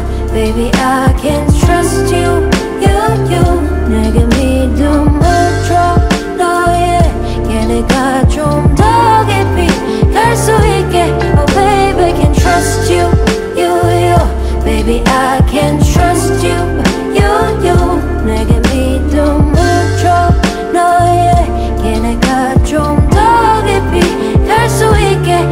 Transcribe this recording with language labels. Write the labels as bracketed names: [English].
[English] Baby, I can't trust you, you, you. [Korean] 내게 믿음을 줘, 너에게 내가 좀 더 깊이 갈 수 있게. [English] Oh, baby, I can't trust you, you, you. Baby, I can't trust you, you, you. [Korean] 내게 믿음을 줘, 너에게 내가 좀 더 깊이 갈 수 있게.